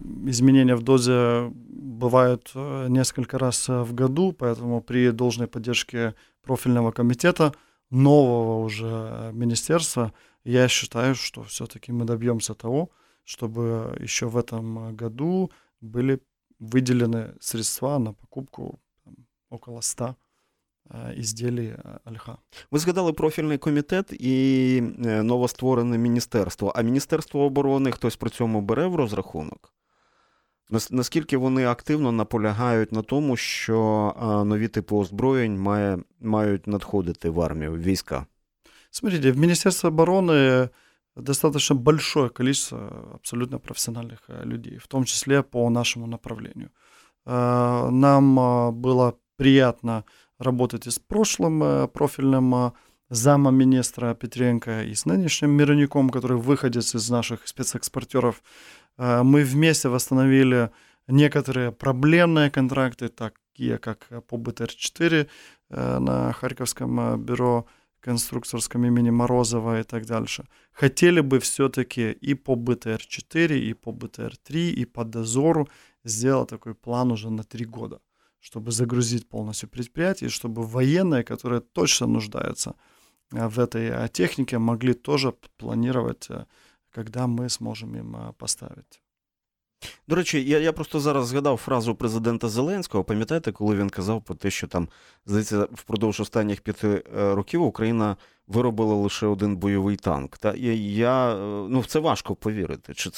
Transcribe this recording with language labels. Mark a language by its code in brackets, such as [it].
[ru] Изменения в дозе бывают несколько раз в году, поэтому при должной поддержке профильного комитета, нового уже министерства, я считаю, что все-таки мы добьемся того, чтобы еще в этом году были выделены средства на покупку около 100 изделий Альха. Вы згадали профильный комитет и новостворене министерство. [uk] А Министерство обороны хтось при цьому бере в розрахунок? Наскільки вони активно наполягають на тому, що нові типи озброєнь мають надходити в армію, в війська? [ru] Смотрите, в Министерстве обороны достаточно большое количество абсолютно профессиональных людей, в том числе по нашему направлению. Нам было приятно работать и с прошлым профильным замом министра Петренко, и с нынешним Мирняком, который выходец из наших спецэкспортеров. Мы вместе восстановили некоторые проблемные контракты, такие как по БТР-4 на Харьковском бюро, конструкторском имени Морозова и так дальше. Хотели бы все-таки и по БТР-4, и по БТР-3, и по Дозору сделать такой план уже на 3 года, чтобы загрузить полностью предприятие, чтобы военные, которые точно нуждаются в этой технике, могли тоже планировать, когда мы сможем им поставить. [uk] До речі, я просто зараз згадав фразу президента Зеленського. Пам'ятаєте, коли він казав про те, що там, здається, впродовж останніх 5 років Україна виробила лише один бойовий танк? Та я, ну, в це важко повірити.